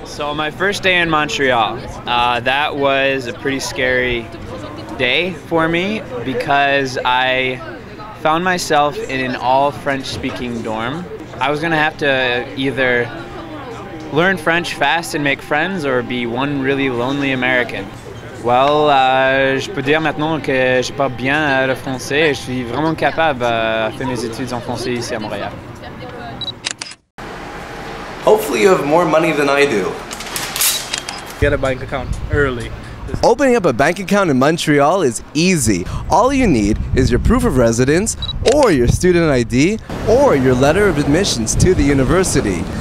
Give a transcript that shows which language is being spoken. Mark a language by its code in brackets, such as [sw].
[en] So my first day in Montreal, that was a pretty scary day for me because I found myself in an all French speaking dorm. I was gonna have to either learn French fast and make friends or be one really lonely American. [fr] Well, je peux dire maintenant que je parle bien le français et je suis vraiment capable de faire mes études en français ici à Montréal. [en] Hopefully you have more money than I do. Get a bank account early. Opening up a bank account in Montreal is easy. All you need is your proof of residence, or your student ID, or your letter of admissions to the university.